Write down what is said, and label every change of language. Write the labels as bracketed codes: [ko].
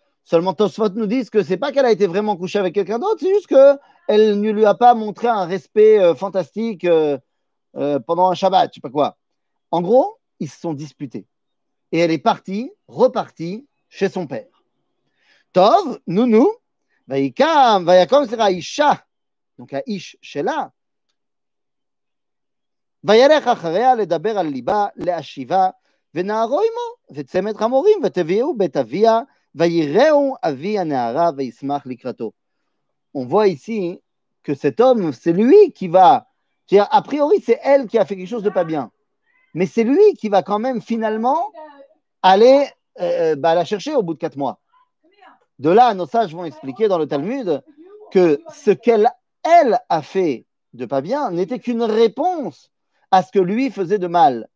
[fr] Seulement, Tosfot nous dit que ce n'est pas qu'elle a été vraiment couchée avec quelqu'un d'autre, c'est juste qu'elle ne lui a pas montré un respect fantastique pendant un Shabbat, je ne sais pas quoi. En gros, ils se sont disputés. Et elle est partie, repartie chez son père. Tov, nounou, va yikam, va yakam, c'est à Isha, donc à Ish, Shela. [he] וילך אחריה לדבר על ליבה להשיבה ונערו עמו וצמד חמורים ותביאו בית אביה ויראו אבי הנערה וישמח לקראתו. [fr] On voit ici que cet homme, c'est lui qui va, c'est-à-dire, a priori c'est elle qui a fait quelque chose de pas bien, mais c'est lui qui va quand même finalement aller la chercher au bout de 4 mois. De là, nos sages vont expliquer dans le Talmud que ce qu'elle elle a fait de pas bien n'était qu'une réponse à ce que lui faisait de mal.